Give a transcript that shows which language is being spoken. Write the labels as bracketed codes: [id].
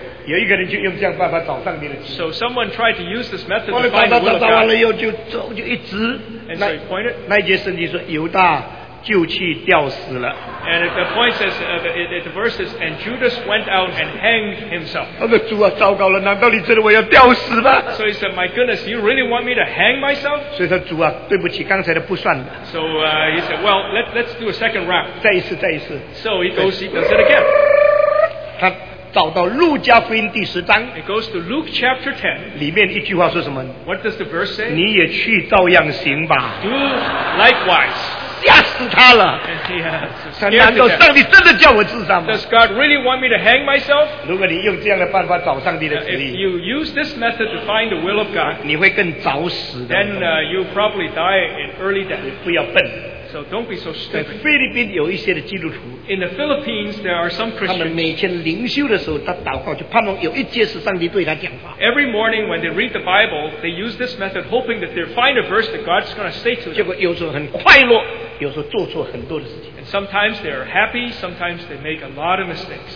[zh] 有一个人就用这样办法找上帝的旨意。 [en] So someone tried to use this method to find the will of God. [zh] 找完了以后就一直。 [en] And so he pointed. [zh] 那一节圣经说，犹大。就去吊死了。 [en] And the point says, the verse is, and Judas went out and hanged himself. [zh] 他说：“主啊，糟糕了，难道你真的我要吊死吗？” [en] So he said, my goodness, you really want me to hang myself? [zh] 所以说：“主啊，对不起，刚才的不算了。” [en] So he said, well, let's do a second round. [zh] 再一次。 [en] So he goes, he does it again. [zh] 他找到路加福音第十章。 [en] It goes to Luke chapter 10. [zh] 里面一句话说什么？ [en] What does the verse say? [zh] 你也去照样行吧。 [en] Do likewise. [zh] 吓死他了！难道上帝真的叫我自杀吗？ [en] Does God really want me to hang myself? [zh] 如果你用这样的办法找上帝的旨意， [en] if you use this method to find the will of God, [zh] 你会更早死的。 [en] Then you probably die in early death. [zh] 你不要笨。 [en] So don't be so stupid. [zh] 在菲律宾有一些的基督徒， [en] in the Philippines there are some Christians. [zh] 他们每天灵修的时候，他祷告就盼望有一节是上帝对他讲话。 [en] Every morning when they read the Bible, they use this method, hoping that they find a verse that God's going to say to them. [zh] 结果有时候很快乐。And [en] sometimes they are happy, sometimes they make a lot of mistakes.